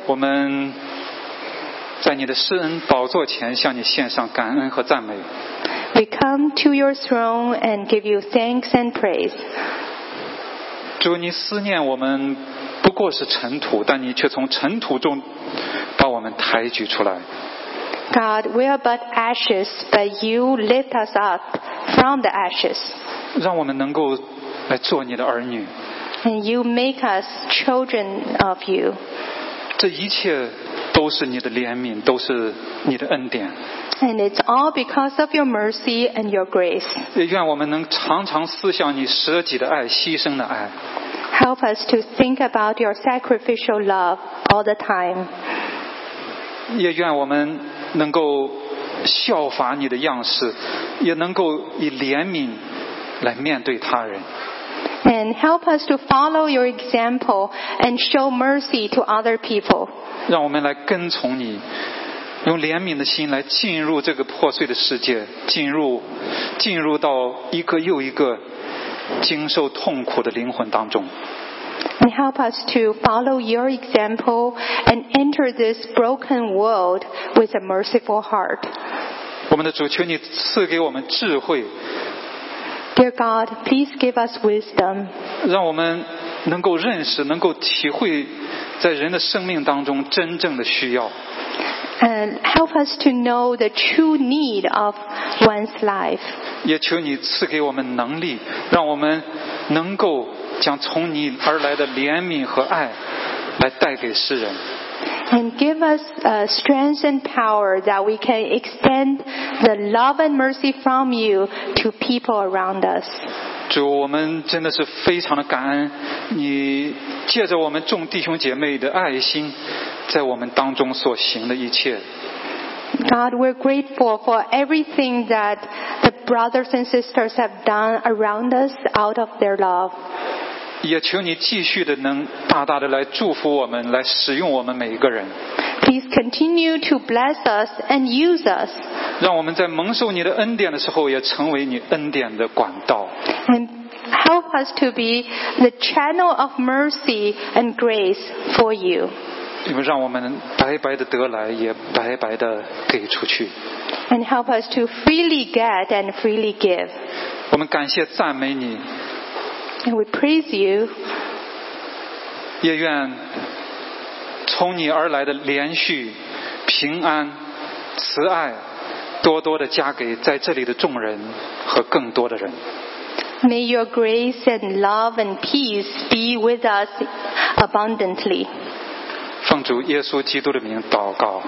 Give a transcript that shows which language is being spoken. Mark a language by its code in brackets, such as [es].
[zh] 我们在你的施恩宝座前向你献上感恩和赞美。 [en] We come to your throne and give you thanks and praise. [zh] 主，你思念我们不过是尘土，但你却从尘土中把我们抬举出来。 [en] God, we are but ashes, but you lift us up from the ashes. [zh] 让我们能够来做你的儿女。 [en] And you make us children of you. [zh] 这一切都是你的怜悯，都是你的恩典。 [en] And it's all because of your mercy and your grace. [zh] 愿我们能常常思想你舍己的爱，牺牲的爱。 [en] Help us to think about your sacrificial love all the time. [zh] 也愿我们能够效法你的样式，也能够以怜悯来面对他人。 [en] And help us to follow your example and show mercy to other people. [zh] 让我们来跟从你。用怜悯的心来进入这个破碎的世界，进入到一个又一个经受痛苦的灵魂当中。 [en] And help us to follow your example and enter this broken world with a merciful heart. [zh] 我们的主，求你赐给我们智慧。 [en] Dear God, please give us wisdom. [zh] 让我们能够认识，能够体会在人的生命当中真正的需要。 [en] and help us to know the true need of one's life. [zh] 也求你赐给我们能力，让我们能够将从你而来的怜悯和爱来带给世人。 [en] And give us strength and power that we can extend the love and mercy from you to people around us. [zh] 主，我们真的是非常的感恩，你借着我们众弟兄姐妹的爱心，在我们当中所行的一切。 [en] God, we're grateful for everything that the brothers and sisters have done around us out of their love. [zh] 也求你继续的能大大的来祝福我们，来使用我们每一个人。 [en] Please continue to bless us and use us. [zh] 让我们在蒙受你的恩典的时候，也成为你恩典的管道。 [en] And help us to be the channel of mercy and grace for you. [zh] 因为让我们白白的得来，也白白的给出去。 [en] And help us to freely get and freely give. [zh] 我们感谢赞美你。 [en] And we praise you. [zh] 也愿从你而来的连续平安慈爱多多的加给在这里的众人和更多的人。 [en] May your grace and love and peace be with us abundantly. [zh] 奉主耶稣基督的名祷告。